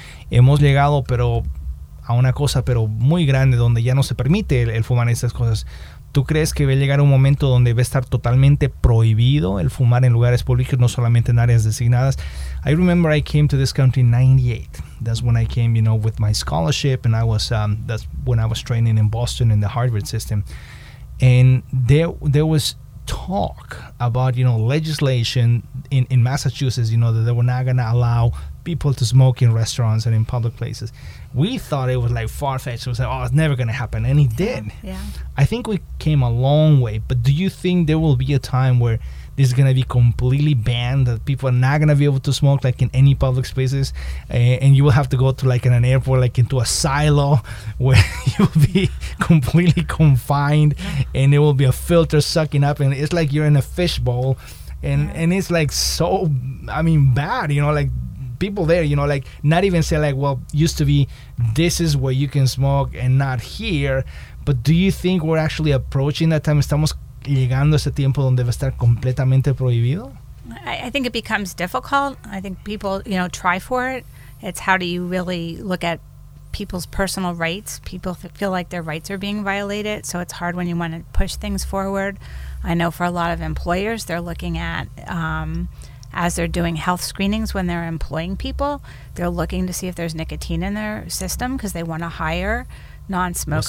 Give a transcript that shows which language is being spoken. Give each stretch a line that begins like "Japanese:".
Spanish: Hemos llegado pero a una cosa pero muy grande, donde ya no se permite el fumar en estas cosas. ¿Tú crees que va a llegar un momento donde va a estar totalmente prohibido el fumar en lugares públicos, no solamente en áreas designadas?
English: I remember I came to this country in 98. That's when I came, you know, with my scholarship, and I was that's when I was training in Boston in the Harvard system. And there was talk about, you know, legislation in Massachusetts, you know, that they were not going to allow people to smoke in restaurants and in public places. We thought it was like far-fetched. We said, oh, it's never going to happen. And it did. Yeah. I think we came a long way. But do you think there will be a time where this is going to be completely banned, that people are not going to be able to smoke like in any public spaces, and you will have to go to like in an airport, like into a silo where you'll be completely confined, and there will be a filter sucking up, and it's like you're in a fishbowl, and it's like so, I mean, bad, you know, like people there, you know, like not even say like, well, used to be this is where you can smoke and not here. But do you think we're actually approaching that time?
Spanish: Estamos llegando a ese tiempo donde va a estar completamente prohibido?
English: I think it becomes difficult. I think people, you know, try for it. It's how do you really look at people's personal rights? People feel like their rights are being violated, so it's hard when you want to push things forward. I know for a lot of employers, they're looking at, as they're doing health screenings when they're employing people, they're looking to see if there's nicotine in their system, because they want to hire non-smokers.